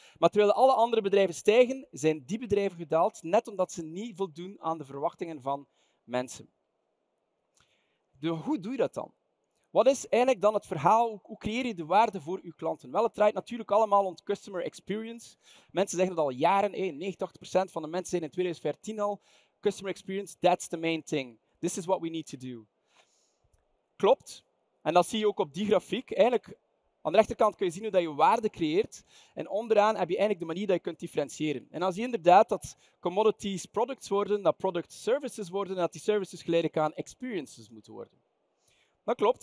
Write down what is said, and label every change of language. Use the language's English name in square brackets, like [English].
[Dutch] Maar terwijl alle andere bedrijven stijgen, zijn die bedrijven gedaald, net omdat ze niet voldoen aan de verwachtingen van mensen. Hoe doe je dat dan? Wat is eigenlijk dan het verhaal? Hoe creëer je de waarde voor je klanten? Wel, het draait natuurlijk allemaal om customer experience. Mensen zeggen dat al jaren. 98% van de mensen zijn in 2014 al. [English] Customer experience, that's the main thing. This is what we need to do. [Dutch] Klopt. En dat zie je ook op die grafiek. Eigenlijk, aan de rechterkant kun je zien hoe je waarde creëert. En onderaan heb je eigenlijk de manier dat je kunt differentiëren. En dan zie je inderdaad dat commodities products worden, dat product services worden, en dat die services geleidelijk aan experiences moeten worden. Dat klopt.